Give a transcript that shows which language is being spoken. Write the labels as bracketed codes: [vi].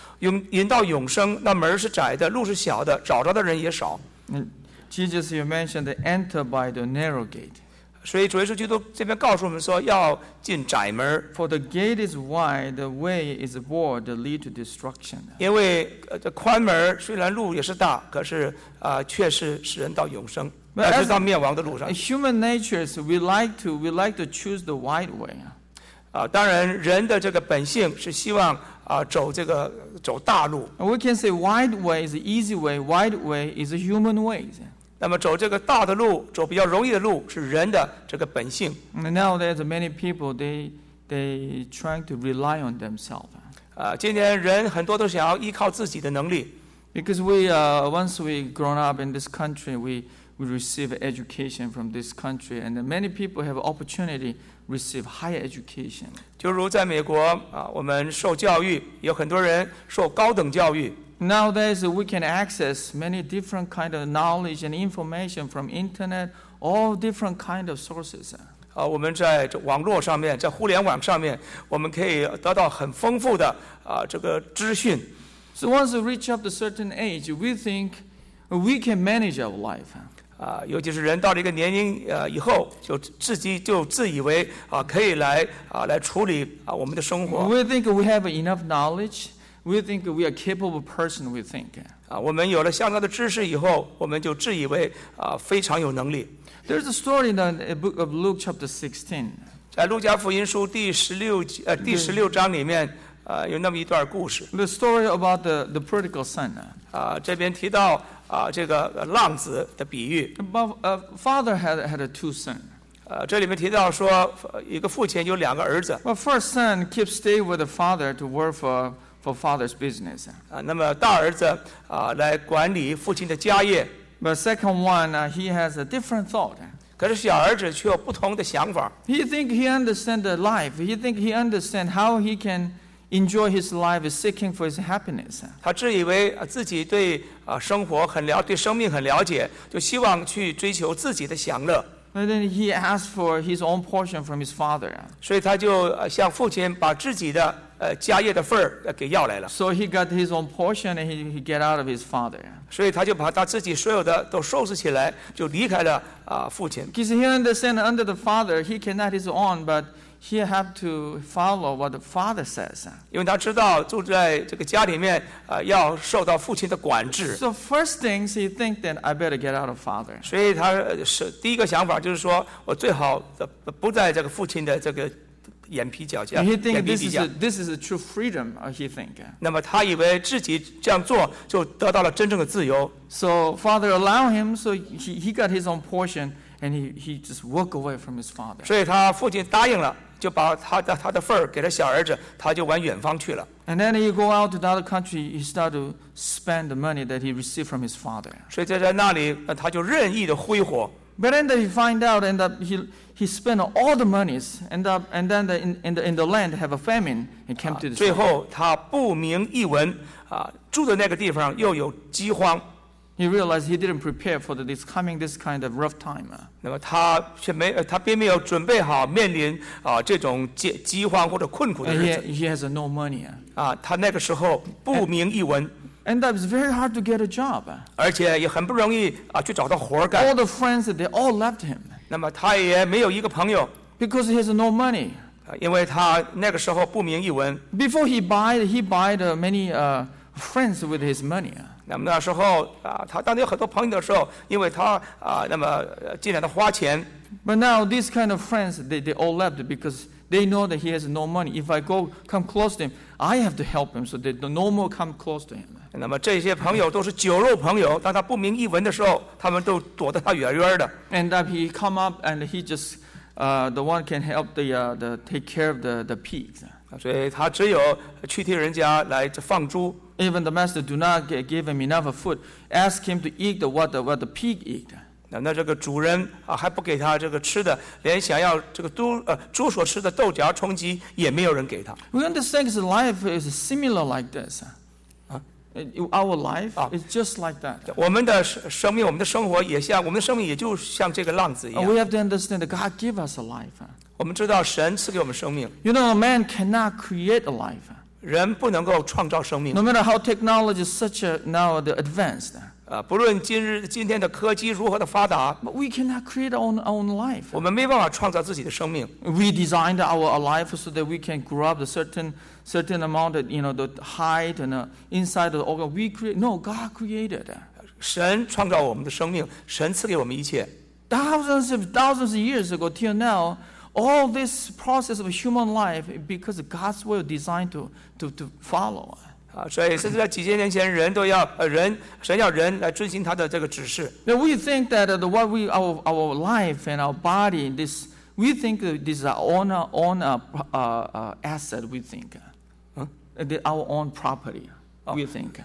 [zh] 引道永生，那门是窄的，路是小的，找着的人也少。 [en] Jesus, you mentioned enter by the narrow gate. [zh] 所以主耶稣基督这边告诉我们说要。进窄门 [en] For the gate is wide, the way is broad, the lead to destruction. [zh] 因为这宽门虽然路也是大，可是却是使人到永生，而是到灭亡的路上。 [en] Human nature is we like to choose the wide way. [zh] 当然人的这个本性是希望走这个走大路。 [en] We can say wide way is the easy way. Wide way is a human way. [zh] 那么走这个大的路，走比较容易的路，是人的这个本性。 [en] Nowadays, many people they trying to rely on themselves. [zh] 今天人很多都想要依靠自己的能力。 [en] Because once we grown up in this country, we receive education from this country, and many people have opportunity receive higher education. [zh] 就如在美国我们受教育，有很多人受高等教育。 [en] Nowadays, we can access many different kind of knowledge and information from internet, all different kind of sources. [zh] 我们在网络上面，在互联网上面，我们可以得到很丰富的这个资讯。 [en] So once we reach up to certain age, we think we can manage our life. [zh] 尤其是人到了一个年龄以后，就自己就自以为可以来处理我们的生活。 [en] We think we have enough knowledge. We think we are capable person. We think. [zh] 我们有了相当的知识以后，我们就自以为非常有能力。 [en] There's a story in the book of Luke chapter 16. [zh] 路加福音书第十六第十六章里面有那么一段故事。 [en] The story about the prodigal son. [zh] 这边提到这个浪子的比喻。 [en] But father had two sons. [zh] 这里面提到说一个父亲有两个儿子。 [en] But first son keeps stay with the father to work for father's business. [zh] 那么大儿子来管理父亲的家业。 [en] But second one, he has a different thought. [zh] 可是小儿子却有不同的想法。 [en] He think he understand the life. He think he understand how he can enjoy his life, seeking for his happiness. [zh] 他自以为自己对生活很了，对生命很了解，就希望去追求自己的享乐。 [en] But then he asked for his own portion from his father. [zh] 所以他就向父亲把自己的家业的份儿给要来了。 [en] So he got his own portion and he get out of his father. [zh] 所以他就把他自己所有的都收拾起来，就离开了父亲。 [en] Because he understand under the father, he cannot his own, but he have to follow what the father says. [zh] 因为他知道住在这个家里面要受到父亲的管制。 [en] So first things he think that I better get out of father. [zh] 所以他是第一个想法就是说我最好不在这个父亲的这个。眼皮脚下 [en] he think this is a true freedom. He think. [zh] 那么他以为自己这样做就得到了真正的自由。 [en] So father allow him, so he got his own portion, and he just walk away from his father. [zh] 所以他父亲答应了，就把他的份儿给了小儿子，他就往远方去了。 [en] And then he go out to the other country. He start to spend the money that he received from his father. [zh] 所以在那里，他就任意的挥霍。 [en] But then he find out, end up he spent all the monies, end up and then in the land have a famine and came to the. [zh] 最后他不明一文住的那个地方又有饥荒。 [en] He realized he didn't prepare for this coming this kind of rough time. [zh] 那么他并没有准备好面临这种饥荒或者困苦的日子。 [en] He has no money. [zh] 他那个时候不明一文。 [en] And that was very hard to get a job. [zh] 而且也很不容易去找到活干。 [en] All the friends, they all left him. [zh] 那么他也没有一个朋友。 [en] Because he has no money. [zh] 因为他那个时候不明一文。 [en] Before he bought many friends with his money. [zh] 那么那时候他当有很多朋友的时候，因为他那么尽量的花钱。 [en] But now these kind of friends, they all left because. They know that he has no money. If I go come close to him, I have to help him so they no more come close to him. [zh] 那么这些朋友都是酒肉朋友，当他不明一文的时候，他们都躲得他远远的。 [en] And that he come up and he just, the one can help the take care of the pigs. [zh] 所以他只有去替人家来放猪。 [en] Even the master do not give him enough food, ask him to eat what the pig eat. [zh] 那这个主人还不给他这个吃的，连想要这个猪所吃的豆荚充饥也没有人给他。 [en] We understand his life is similar like this. Our life is just like that. [zh] 我们的生命，我们的生活也像，我们的生命也就像这个浪子一样。 [en] We have to understand that God give us a life. [zh] 我们知道神赐给我们生命。 [en] You know, a man cannot create a life. [zh] 人不能够创造生命。 [en] No matter how technology is such now the advanced. [zh] 不论今天的科技如何的发达 [en] ，But we cannot create our own life. [zh] 我们没办法创造自己的生命。 [en] We designed our life so that we can grow up a certain amount of, you know, the height and inside of the organ. We create. No, God created. [zh] 神创造我们的生命，神赐给我们一切。 [en] Thousands of years ago till now, all this process of human life because God's will designed to follow. [zh] 所以甚至在几千年前人都要人神要人来遵循他的这个指示。 [en] Now we think that the what we our life and our body this we think this is our own asset we think. Our own property we think.